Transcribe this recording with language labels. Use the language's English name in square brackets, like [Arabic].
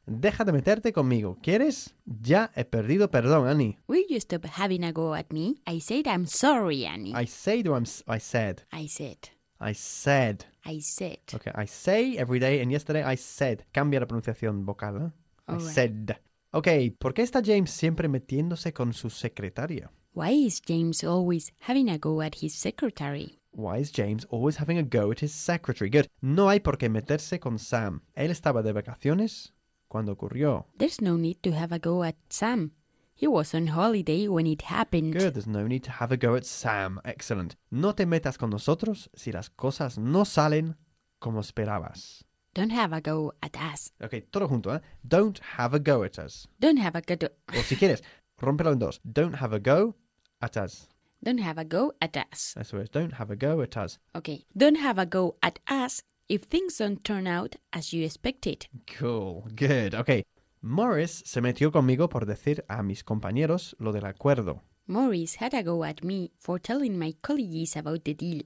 [Spanish] Deja de meterte conmigo. ¿Quieres? Ya he perdido perdón, Annie. [English] Will you stop having a go at me? I said I'm sorry, Annie. I said. Okay, I say every day and yesterday I said. [Spanish] Cambia la pronunciación vocal. [English] I said. [Spanish] Okay, ¿por qué está James siempre metiéndose con su secretaria? [English] Why is James always having a go at his secretary? Why is James always having a go at his secretary? Good. [Spanish] No hay por qué meterse con Sam. Él estaba de vacaciones cuando ocurrió. [English] There's no need to have a go at Sam. He was on holiday when it happened. Good. There's no need to have a go at Sam. Excellent. [Spanish] No te metas con nosotros si las cosas no salen como esperabas. [English] Don't have a go at us. Okay, [Spanish] todo junto, ¿eh? [English] Don't have a go at us. Don't have a go to... [Spanish] O si quieres, rómpelo en dos. [English] Don't have a go at us. Don't have a go at us. That's what it is. Don't have a go at us. Okay. Don't have a go at us if things don't turn out as you expected. Cool. Good. Okay. [Spanish] Morris se metió conmigo por decir a mis compañeros lo del acuerdo. [English] Morris had a go at me for telling my colleagues about the deal.